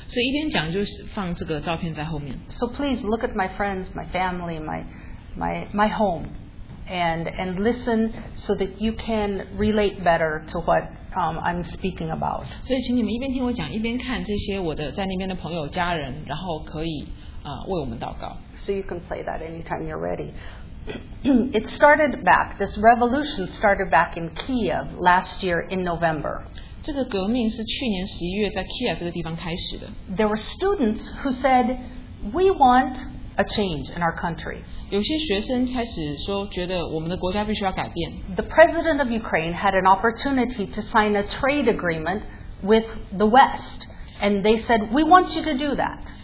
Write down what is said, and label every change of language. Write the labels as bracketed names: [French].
[Chinese] 所以今天我一边讲的时候，也希望你们能够真正的了解我在那边是做什么样的工作，跟什么样的人接触。所以一边讲就放这个照片在后面。 [English] So please look at my friends, my family, my home, and listen so that you can relate better to what I'm speaking about. [Chinese] 所以请你们一边听我讲，一边看这些我的在那边的朋友、家人，然后可以为我们祷告。 [English] So you can play that anytime you're ready. It started back, this revolution started back in Kiev last year in November. [Chinese] 这个革命是去年11月在Kiev这个地方开始的。 [English] There were students who said, we want a change in our country. [Chinese] 有些学生开始说觉得我们的国家必须要改变。 [English] The president of Ukraine had an opportunity to sign a trade agreement with the West, and they said, we want you to do that.